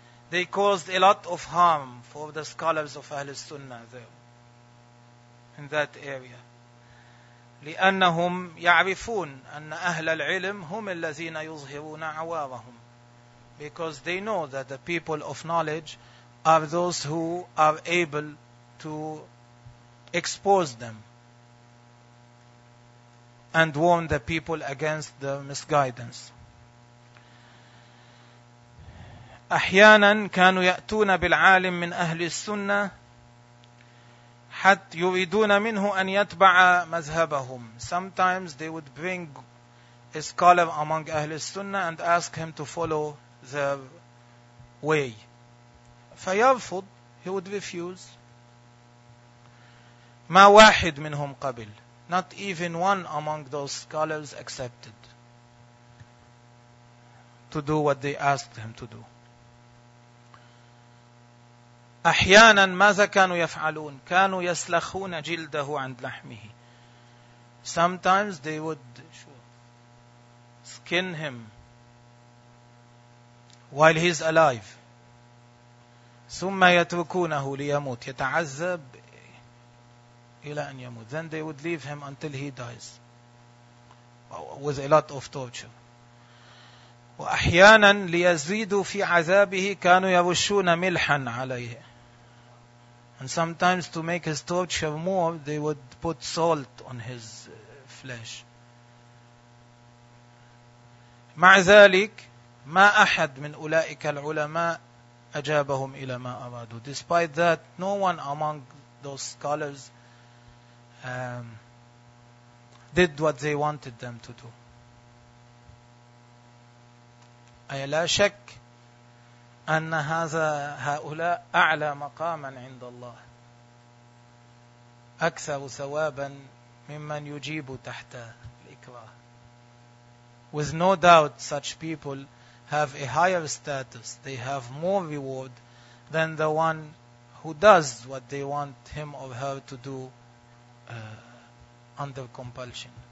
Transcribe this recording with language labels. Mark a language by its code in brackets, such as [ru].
[en] They caused a lot of harm for the scholars of أهل السنة there, in that area. [ar] لأنهم يعرفون أن أهل العلم هم الذين يظهرون عوارهم. [en] Because they know that the people of knowledge are those who are able to expose them and warn the people against the misguidance. [ar] أحيانا كانوا يأتون بالعالم من أهل السنة حتى يريدون منه أن يتبع مذهبهم. [en] Sometimes they would bring a scholar among أهل السنة and ask him to follow their way. [ar] فيرفض, [en] he would refuse. [ar] ما واحد منهم قبل. [en] Not even one among those scholars accepted to do what they asked him to do. [ar] أحيانا ماذا كانوا يفعلون؟ كانوا يسلخون جلده عند لحمه. [en] Sometimes they would skin him while he's alive. [ar] ثم يتركونه ليموت, يتعذب إلى أن يموت. [en] Then they would leave him until he dies with a lot of torture. [ar] وأحيانا ليزيدوا في عذابه كانوا يرشون ملحا عليه. [en] And sometimes to make his torture more, they would put salt on his flesh. [ar] مع ذلك, ما أحد من أولئك العلماء أجابهم إلى ما أرادوا. [en] Despite that, no one among those scholars did what they wanted them to do. [ar] أي لا شك أن هذا هؤلاء أعلى مقاما عند الله، أكثر ثوابا ممن يجيب تحت الإكراه. [en] With no doubt, such people have a higher status. They have more reward than the one who does what they want him or her to do under compulsion.